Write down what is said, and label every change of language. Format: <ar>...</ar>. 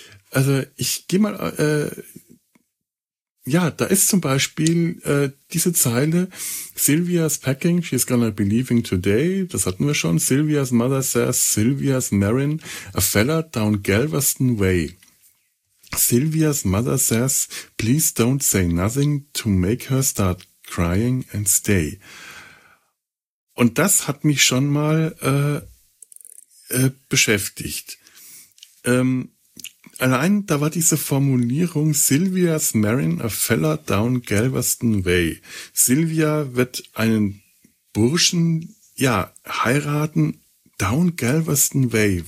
<de>Also ich gehe mal, da ist zum Beispiel diese Zeile:</de> <en>Sylvia's packing, she's gonna be leaving today,</en> <de>das hatten wir schon.</de> <en>Sylvia's mother says, Sylvia's marrying a fella down Galveston way. Sylvia's mother says, please don't say nothing to make her start crying and stay.</en> <de>Und das hat mich schon mal beschäftigt. Allein da war diese Formulierung:</de> <en>Sylvia's marrying a fella down Galveston way.</en> <de>Sylvia wird einen Burschen heiraten</de> <en>down Galveston way.</en>